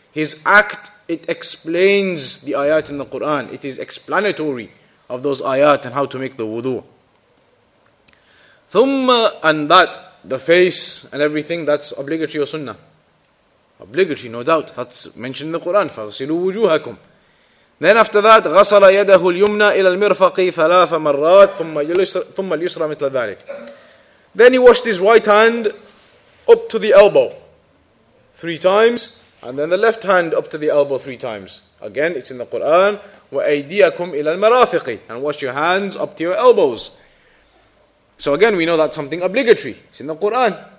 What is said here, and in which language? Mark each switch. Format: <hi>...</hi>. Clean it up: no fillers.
<en>His act, it explains the ayat in the Quran. It is explanatory of those ayat and how to make the wudu. Thumma, and that, the face and everything, that's obligatory or sunnah. Obligatory, no doubt. That's mentioned in the Quran.</en> <ar>فَغْسِلُوا وُجُوهَكُمْ.</ar> <en>Then after that,</en> <ar>غَسَلَ يَدَهُ الْيُمْنَى إِلَى الْمِرْفَقِ ثَلَاثَ مَرَّاتٍ ثُمَّ الْيُسْرَ مِثْلَ ذَلِكَ.</ar> <en>Then he washed his right hand up to the elbow three times. And then the left hand up to the elbow three times. Again, it's in the Quran.</en> <ar>وَأَيْدِيَكُمْ إِلَى الْمَرَافِقِ.</ar> <en>And wash your hands up to your elbows. So again, we know that's something obligatory. It's in the Quran.</en>